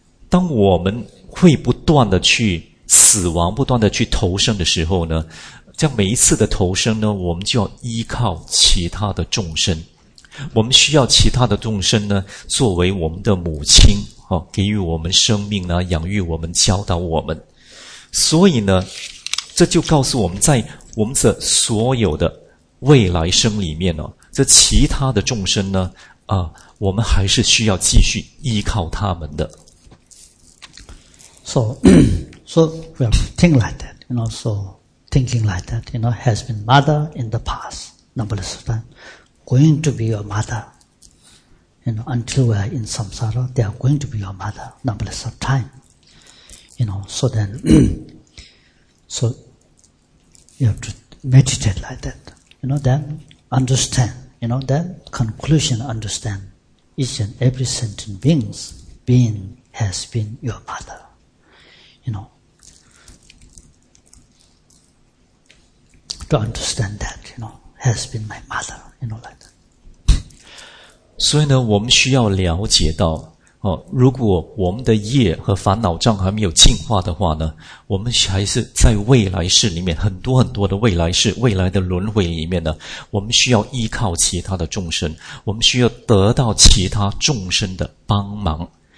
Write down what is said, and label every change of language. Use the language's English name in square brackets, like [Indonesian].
[Chinese] 当我们会不断的去死亡，不断的去投生的时候呢，像每一次的投生呢，我们就要依靠其他的众生，我们需要其他的众生呢作为我们的母亲，给予我们生命呢，养育我们，教导我们。所以呢，这就告诉我们，在我们的所有的未来生里面呢，这其他的众生呢我们还是需要继续依靠他们的。 [English] So we have to think like that, you know, so thinking like that, you know, has been mother in the past, numberless of time, going to be your mother, you know, until we are in samsara, they are going to be your mother, numberless of time, you know, so then, so you have to meditate like that, you know, then understand, you know, then conclusion understand each and every sentient being has been your mother. You know, to understand that, you know, has been my mother, you know, like that. [Chinese] 所以呢，我们需要了解到，如果我们的业和烦恼障还没有净化的话呢，我们还是在未来世里面，很多很多的未来世，未来的轮回里面呢，我们需要依靠其他的众生，我们需要得到其他众生的帮忙。